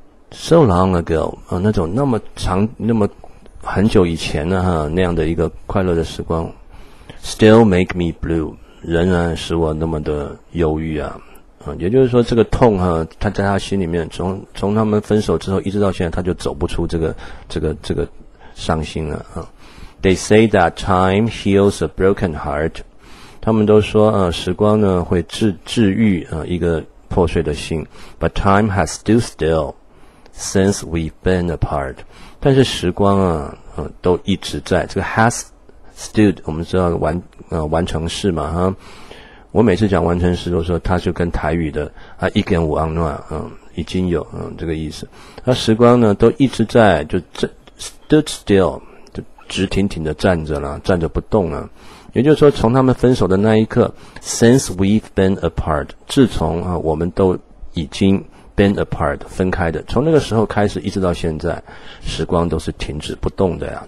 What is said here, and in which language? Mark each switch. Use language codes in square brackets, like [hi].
[en] ， so long ago [zh] 那种那么长那么很久以前呢那样的一个快乐的时光 ， [en] still make me blue [zh] 仍然使我那么的忧郁啊，也就是说这个痛他在他心里面从他们分手之后一直到现在他就走不出这个伤心了啊。 [en] They say that time heals a broken heart. [zh] 他们都说时光呢会治愈一个破碎的心。 [en] But time has stood still since we've been apart. [zh] 但是时光都一直在。这个 [en] has stood, [zh] 我们知道完成式嘛哈。我每次讲完成式都说它就跟台语的一根五安诺已经有这个意思。那时光呢都一直在就 [en] stood still, [zh] 直挺挺的站着了，站着不动了。也就是说，从他们分手的那一刻 ， [en] since we've been apart， [zh] 自从我们都已经 [en] been apart [zh] 分开的，从那个时候开始一直到现在，时光都是停止不动的呀。